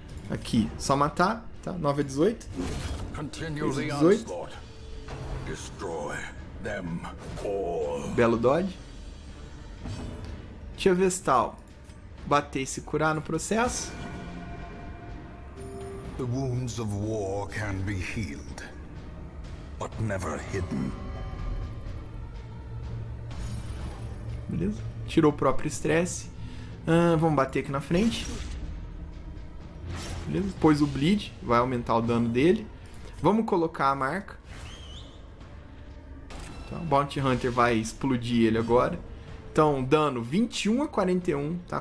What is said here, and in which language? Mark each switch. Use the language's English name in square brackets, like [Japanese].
[Portuguese] Aqui, só matar, tá? 9 a 18. 9 a 18. [English] Destroy them all. [Portuguese] Belo dodge. Tia Vestal. Bater e se curar no processo. [English] The wounds of war can be healed, but never hidden. [Portuguese] Beleza? Tirou o próprio estresse. Vamos bater aqui na frente. Beleza? Pôs o bleed, vai aumentar o dano dele. Vamos colocar a marca. Então, o Bounty Hunter vai explodir ele agora. Então, dano 21 a 41, tá?